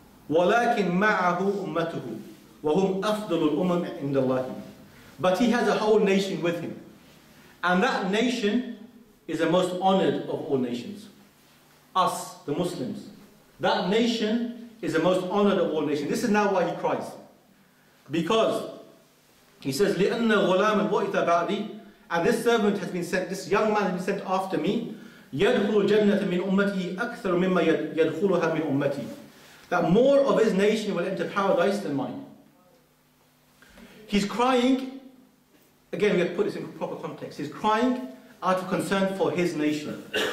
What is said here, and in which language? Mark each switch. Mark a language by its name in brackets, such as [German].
[Arabic] وَلَكِنْ مَعَهُ أُمَّتُهُ وَهُمْ أَفْضَلُ الْأُمَمْ عِنْدَ اللَّهِ. [English] But he has a whole nation with him. And that nation is the most honored of all nations. Us, the Muslims. That nation is the most honored of all nations. This is now why he cries. Because he says, [Arabic] لِأَنَّ غُلَامًا بُعِثَ بَعْدِي. [English] And this servant has been sent, this young man has been sent after me. [Arabic] يَدْخُلُ جَنَّةً مِنْ أُمَّتِهِ أَكْثَرُ مِمَّا يَدْخُلُهَا مِنْ أُمَّتِهِ. [English] That more of his nation will enter paradise than mine. He's crying. Again, we have to put this in proper context. He's crying out of concern for his nation.